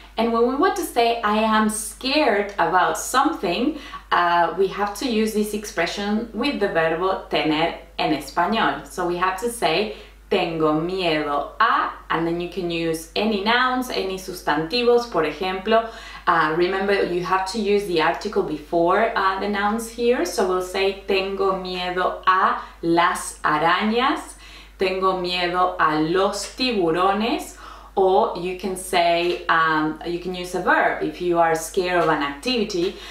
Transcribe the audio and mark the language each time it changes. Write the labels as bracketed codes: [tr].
[en] And when we want to say, I am scared about something, we have to use this expression with the [es] verbo tener en español. [en] So we have to say, [es] tengo miedo a, [en] and then you can use any nouns, any sustantivos, [es] por ejemplo. [en] Remember, you have to use the article before the nouns here. So we'll say, [es] tengo miedo a las arañas, tengo miedo a los tiburones. [en] Or you can say, you can use a verb if you are scared of an activity.